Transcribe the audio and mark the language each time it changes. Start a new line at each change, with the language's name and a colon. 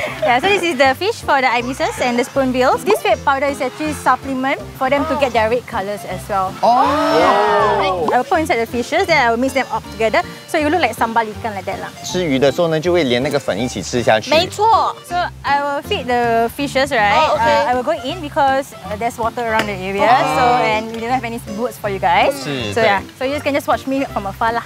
English: Yeah, so this is the fish for the ibises and the spoonbills. This red powder is actually supplement for them to get their red colors as well. Oh! I will put inside the fishes, then I will mix them up together, so it will look like sambal ikan like that lah.
Chinese: 吃鱼的时候呢，就会连那个粉一起吃下去。没错。
English: So I will feed the fishes, right? Oh, okay. I will go in because there's water around the area, so and we don't have any boots for you guys.
Chinese: 是。
English: So yeah. So you can just watch me from afar lah.